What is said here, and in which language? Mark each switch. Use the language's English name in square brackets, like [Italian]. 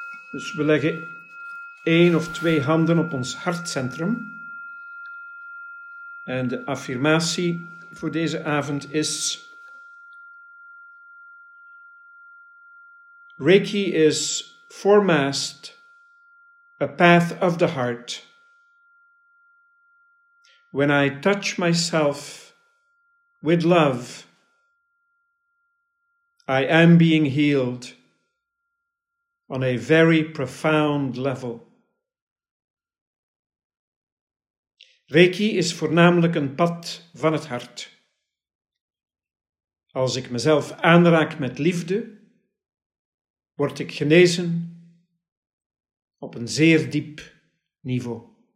[Dutch] Dus we leggen 1 of 2 handen op ons hartcentrum. En de affirmatie voor deze avond is: [English] Reiki is foremost a path of the heart. When I touch myself with love, I am being healed on a very profound level. [Dutch] Reiki is voornamelijk een pad van het hart. Als ik mezelf aanraak met liefde, word ik genezen op een zeer diep niveau.